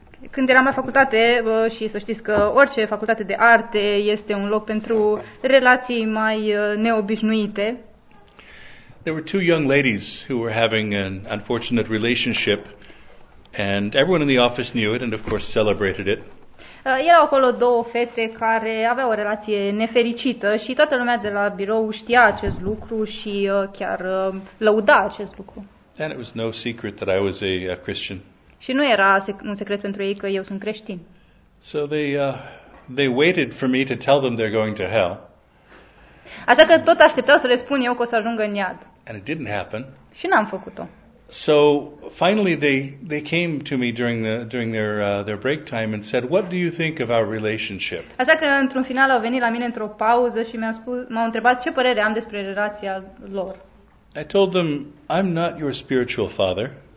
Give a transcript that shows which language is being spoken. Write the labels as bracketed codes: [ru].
[ro] Când eram la facultate, și să știți că orice facultate de arte este un loc pentru relații mai neobișnuite. [en] There were two young ladies who were having an unfortunate relationship and everyone in the office knew it and of course celebrated it. [ro] Erau acolo două fete care aveau o relație nefericită și toată lumea de la birou știa acest lucru și chiar lăuda acest lucru. [en] And it was no secret that I was a Christian. [ro] Și nu era un secret pentru ei că eu sunt creștin. [en] So they waited for me to tell them they're going to hell. [ro] Așa că tot așteptau să le spun eu că o să ajungă în iad. [en] And it didn't happen. [ro] Și n-am făcut-o. [en] So finally they came to me during their break time and said, "What do you think of our relationship?" [ro] Așa că într-un final au venit la mine într-o pauză și m-au întrebat ce părere am despre relația lor. [en] I told them, "I'm not your spiritual father."